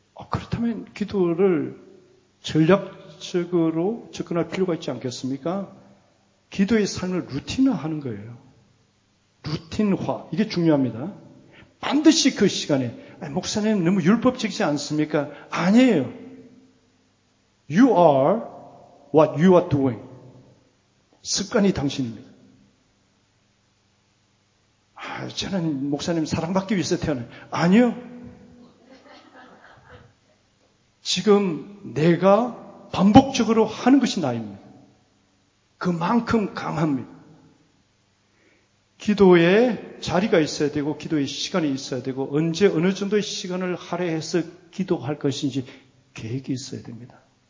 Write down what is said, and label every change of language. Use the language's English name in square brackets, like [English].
[Korean] 그렇다면 기도를 전략적으로 접근할 필요가 있지 않겠습니까? 기도의 삶을 루틴화하는 거예요. 루틴화. 이게 중요합니다. 반드시 그 시간에. 목사님 너무 율법적이지 않습니까? 아니에요. [English] You are what you are doing. [Korean] 습관이 당신입니다. 아, 저는 목사님 사랑받기 위해서 태어난. 아니요. 지금 내가 반복적으로 하는 것이 나입니다. 그만큼 강합니다. 기도에 자리가 있어야 되고 기도의 시간이 있어야 되고 언제 어느 정도의 시간을 할애해서 기도할 것인지 계획이 있어야 됩니다.